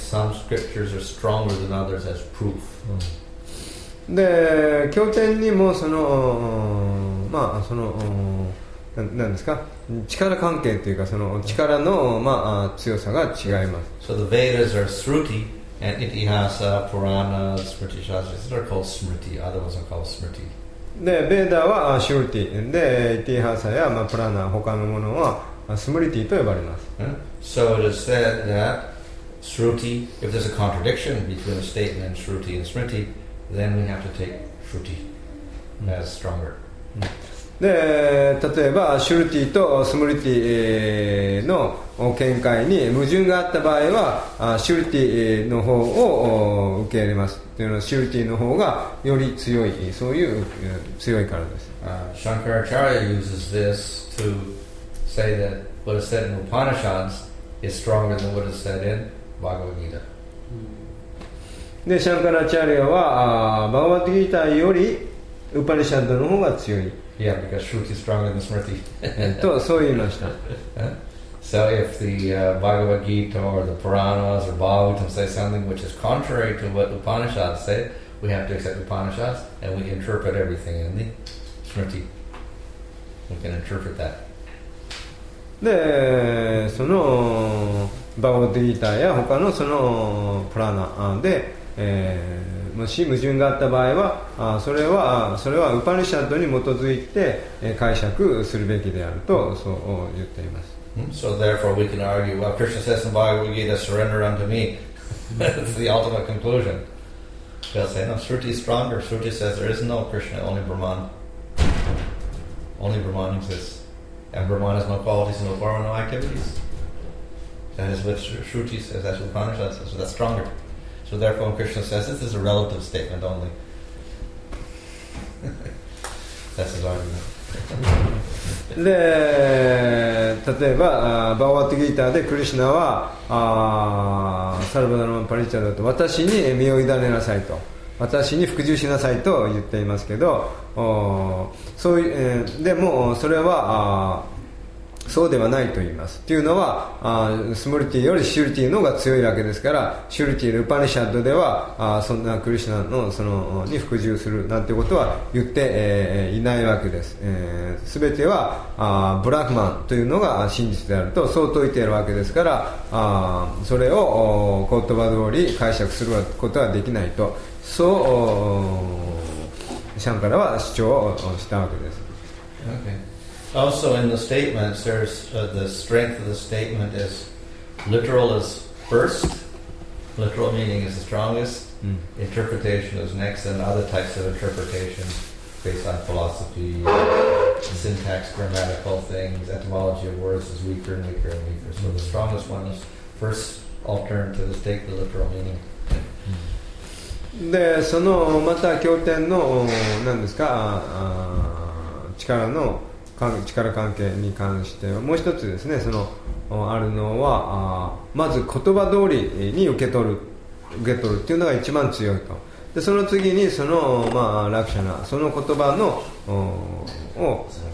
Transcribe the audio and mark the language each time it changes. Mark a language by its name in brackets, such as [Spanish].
[English] Some scriptures are stronger than others as proof. [Japanese] で、経典にもその、まあその、なんですか、力関係というかその力のまあ強さが違います。 [English] So the Vedas are Sruti, and Itihasa, Purana, Smriti Shastra, these are called Smriti. Other ones are called Smriti. [Japanese] で、ベーダはシュルティで、イティハサやプラナ、他のものはスムリティと呼ばれます。 [English] So it is said that Shruti, if there's a contradiction between a statement Shruti and Smriti, then we have to take Shruti as stronger. [Japanese] で、例えばシュルティとスムリティの見解に矛盾があった場合は、シュルティの方を受け入れます。シューティーの方がより強い、そういう強いからです。 [English] Shankaracharya uses this to say that what is said in Upanishads is stronger than what is said in Bhagavad Gita. [Japanese] で、Shankaracharya は、Bhagavad Gita よりウパニシャッドの方が強い。 [English] Yeah, because Shruti is stronger than Smriti. [Japanese] と、そう言いました。 [English] So if the Bhagavad Gita or the Puranas or Bhagavatam say something which is contrary to what Upanishads say, we have to accept Upanishads and we interpret everything in the Smriti. We can interpret that. [Japanese] でそのバゴディーターや他のそのプラナで、もし矛盾があった場合はそれはウパニシャッドに基づいて解釈するべきであるとそう言っています。 [English] So therefore we can argue well, Krishna says in Bhagavad Gita surrender unto me. That's the ultimate conclusion. They'll say no, Shruti is stronger. Shruti says there is no Krishna, only Brahman. Only Brahman exists. And Brahman has no qualities, no form, no activities. That is what Shruti says, that's what Upanishad says, so that's stronger. So therefore when Krishna says this is a relative statement only. That's his argument. [Japanese] で例えばバガヴァッド・ギーターでクリシュナはサルバダルマ・パリチャドと私に身を委ねなさいと私に服従しなさいと言っていますけどそういでもそれはそうではないと言いますというのはスモリティよりシュルティの方が強いわけですからシュルティ・ルパニシャッドではそんなクリシュナのそのに服従するなんてことは言って、いないわけです。全てはブラフマンというのが真実であるとそう説いているわけですからそれを言葉通り解釈することはできないとそうシャンカラは主張をしたわけです。 [English] OKAlso in the statements, there's the strength of the statement is literal is first. Literal meaning is the strongest. Mm. Interpretation is next, and other types of interpretation based on philosophy, syntax, grammatical things, etymology of words is weaker and weaker and weaker. So the strongest one is first alternative is take the literal meaning. [Japanese] で、そのまた経典の何ですか、力の力関係に関してはもう一つですねそのあるのはまず言葉通りに受け取るっていうのが一番強いとでその次にその、まあ、ラクシャナその言葉のを